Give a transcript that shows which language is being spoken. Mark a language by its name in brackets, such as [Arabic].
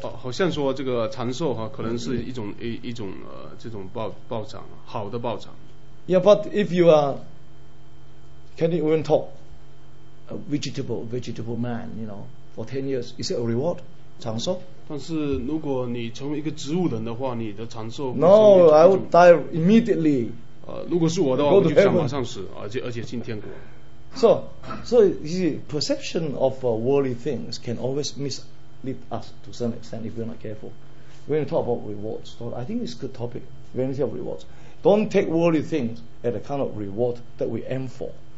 [Chinese] 好像说这个长寿啊, 可能是一种, 一种, 这种 报偿, 好的报偿。 [English] Yeah, but if you are, can you even talk, a vegetable man, you know, for 10 years, is it a reward? [Chinese] 长寿? 但是如果你成为一个植物人的话, [English] no, I would die immediately. [Chinese] 如果是我的话, 我就想马上死, 而且进天国。 [English] So you see, perception of worldly things can always mislead us to some extent if we're not careful. When you talk about rewards, so I think it's a good topic, when you talk about rewards. Don't take worldly things at the kind of reward that we aim for.